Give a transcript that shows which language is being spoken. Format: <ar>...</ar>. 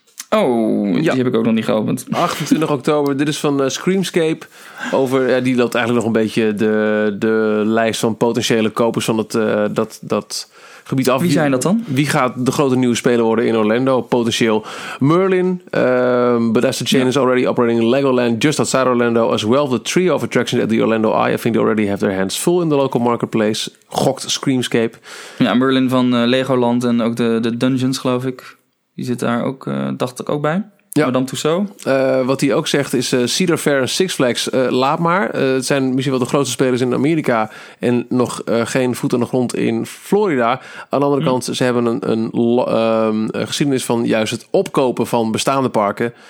<nl>Oh, die heb ik ook nog niet geopend. 28 oktober, dit is van Screamscape. Over, ja, die loopt eigenlijk nog een beetje de lijst van potentiële kopers van dat gebied af. Wie zijn dat dan? Wie gaat de grote nieuwe speler worden in Orlando? Potentieel Merlin.</nl> <en>Bethesda Chain is already operating in Legoland just outside Orlando. As well, the trio of attractions at the Orlando Eye. I think they already have their hands full in the local marketplace.</en> <nl>Gokt Screamscape. Ja, Merlin van Legoland en ook de Dungeons, geloof ik. Die zit daar ook, dacht ik ook bij. Ja. Madame Tussauds. Wat hij ook zegt is Cedar Fair en Six Flags. Laat maar. Het zijn misschien wel de grootste spelers in Amerika. En nog geen voet aan de grond in Florida. Aan de andere kant, ze hebben een geschiedenis van juist het opkopen van bestaande parken.</nl>